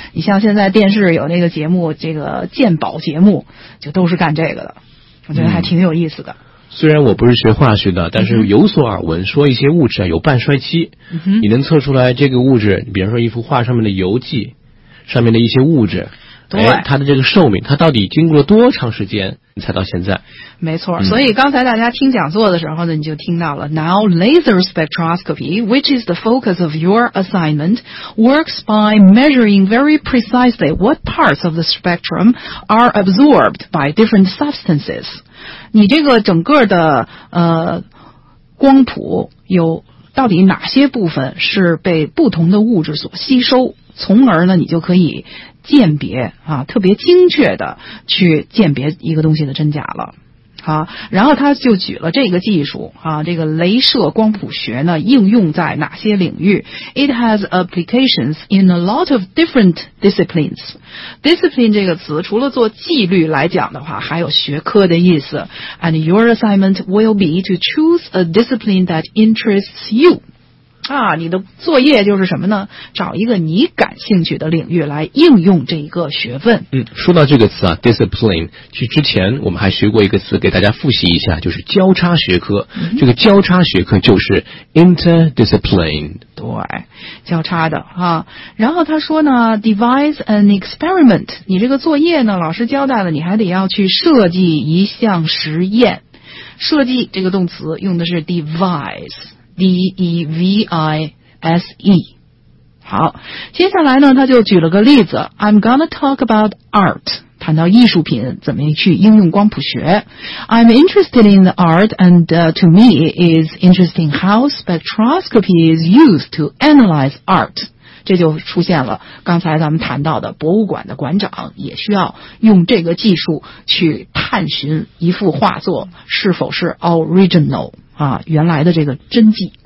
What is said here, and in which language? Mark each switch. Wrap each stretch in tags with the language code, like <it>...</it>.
<zh>你像现在电视有那个节目，这个鉴宝节目就都是干这个的，我觉得还挺有意思的。嗯，虽然我不是学化学的，但是有所耳闻，说一些物质啊有半衰期、嗯，你能测出来这个物质，比方说一幅画上面的油迹，上面的一些物质，对，它的这个寿命，它到底经过了多长时间才到现在？没错，所以刚才大家听讲座的时候呢，你就听到了</zh> <en>Now laser spectroscopy, which is the focus of your assignment, works by measuring very precisely what parts of the spectrum are absorbed by different substances.</en> <zh>你这个整个的光谱有到底哪些部分是被不同的物质所吸收，从而呢，你就可以鉴别啊，特别精确的去鉴别一个东西的真假了。好，然后他就举了这个技术啊，这个雷射光谱学呢应用在哪些领域 ？</zh> <en>It has applications in a lot of different disciplines.</en> <zh>Discipline 这个词除了做纪律来讲的话，还有学科的意思。</zh> <en>And your assignment will be to choose a discipline that interests you.</en> <zh>啊，你的作业就是什么呢？找一个你感兴趣的领域来应用这一个学问。嗯，说到这个词啊 ，discipline， 其实之前我们还学过一个词，给大家复习一下，就是交叉学科。嗯、这个交叉学科就是 interdiscipline。对，交叉的啊。然后他说呢 ，</zh> <en>devise an experiment。</en> <zh>你这个作业呢，老师交代了，你还得要去设计一项实验。设计这个动词用的是 devise。 D-E-V-I-S-E 好，接下来呢他就举了个例子</zh> <en>I'm gonna talk about art</en> <zh>谈到艺术品怎么去应用光谱学</zh> <en>I'm interested in the art and to me is interesting how spectroscopy is used to analyze art</en> <zh>这就出现了刚才咱们谈到的博物馆的馆长也需要用这个技术去探寻一幅画作是否是 original啊，原来的这个真迹。</zh>